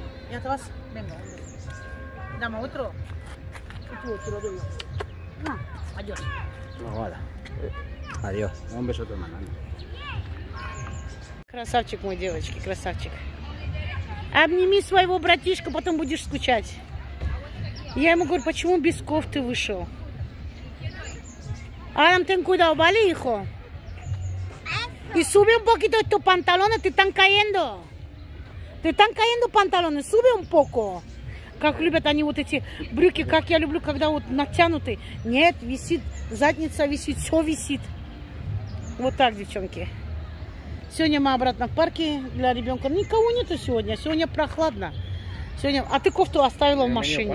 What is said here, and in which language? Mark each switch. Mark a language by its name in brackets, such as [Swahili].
[Russian] Я от вас, Дама, Дама, утро. Утро, адьос. Ну, ладно. Адьос. [Spanish] Un beso, hermano. [Russian] Красавчик мой, девочки, красавчик. Обними своего братишку, потом будешь скучать. Я ему говорю, почему без кофты вышел? [Spanish] Adam, ten cuidado, ¿vale, hijo? Y sube un poquito estos pantalones, te están cayendo. Te están cayendo pantalones, sube un poco. [Russian] Как любят они вот эти брюки, как я люблю, когда вот натянуты. Нет, висит, задница висит, все висит. Вот так, девчонки. Сегодня мы обратно в парке для ребенка. Никого нету сегодня, сегодня прохладно. Сегодня... А ты кофту оставила в машине?